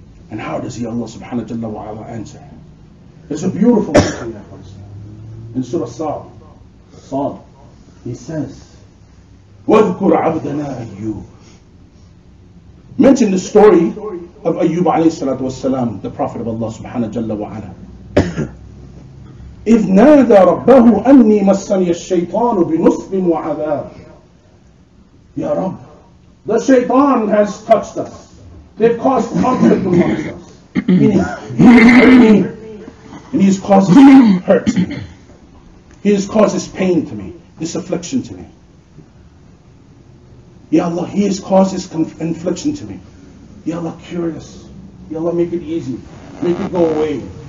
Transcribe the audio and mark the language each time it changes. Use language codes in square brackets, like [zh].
[en] And how does he, Allah subhanahu wa ta'ala, answer? It's a beautiful question that was in Surah Sa'd. He says, [ar] وَذْكُرْ عَبْدَنَا أَيُّوبِ [en] Mention the story of Ayyub alayhi salatu wasalam, the Prophet of Allah subhanahu wa ta'ala. [ar] إِذْ نَادَى رَبَّهُ أَنِّي مَسَّنِيَ الشَّيْطَانُ بِنُصْبٍ وَعَذَابٍ [en] Ya Rabb, the shaytan has touched us. They've caused conflict amongst us. Meaning, he has hurt me, and he has caused this hurt to me. He has caused this pain to me, this affliction to me. Ya Allah, he has caused this infliction to me. Ya Allah, cure this. Ya Allah, make it easy. Make it go away.